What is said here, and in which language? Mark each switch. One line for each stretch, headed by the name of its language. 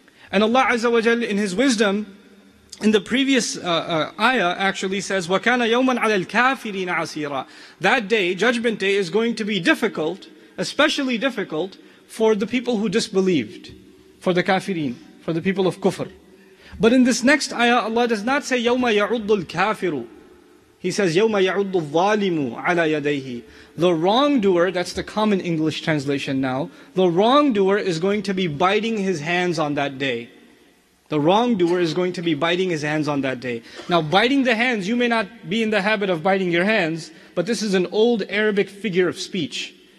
English: And Allah Azza wa Jalla, in His wisdom, in the previous ayah actually says,
Arabic: وَكَانَ يَوْمًا عَلَى الْكَافِرِينَ عَسِيرًا.
English: That day, Judgment Day, is going to be difficult, especially difficult for the people who disbelieved, for the kafirin, for the people of kufr. But in this next ayah, Allah does not say,
Arabic: يَوْمَ يَعُضُّ الْكَافِرُ.
English: He says,
Arabic: يَوْمَ يَعُضُّ الظَّالِمُ عَلَى يَدَيْهِ.
English: The wrongdoer, that's the common English translation now, the wrongdoer is going to be biting his hands on that day. The wrongdoer is going to be biting his hands on that day. Now, biting the hands, you may not be in the habit of biting your hands, but this is an old Arabic figure of speech.